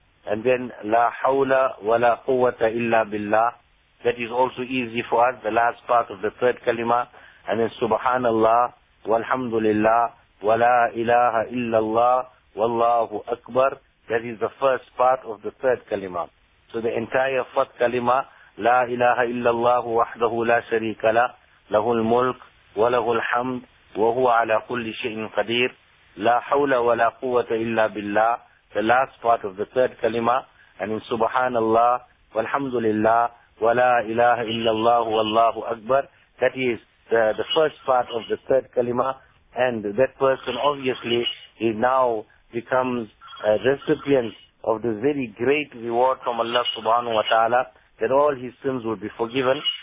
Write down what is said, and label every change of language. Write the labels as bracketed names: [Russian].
[English] And then [Arabic] لَا حَوْلَ وَلَا قُوَّةَ إِلَّا بِاللَّهِ. [English] That is also easy for us, the last part of the third kalima. And then [Arabic] Subhanallah وَالْحَمْدُ لِلَّهِ وَلَا إِلَهَ إِلَّا اللَّهِ وَاللَّهُ أَكْبَرُ. [English] That is the first part of the third kalima. So the entire fourth kalima, [Arabic] لَا إِلَهَ إِلَّا اللَّهُ وَحْدَهُ لَا شَرِيكَ لَهُ الْمُلْكُ وَلَهُ الْحَمْدُ وَهُوَ عَلَىٰ كُلِّ شَيْءٍ قَدِيرٌ لَا حَوْلَ وَلَا قُوَّةَ إِلَّا بِاللَّهِ. [English] The last part of the third kalima, and in Subhanallah walhamdulillah wala ilaha illallah wallahu akbar, that is the first part of the third kalima, and that person obviously he now becomes a recipient of the very great reward from Allah subhanahu wa ta'ala, that all his sins will be forgiven.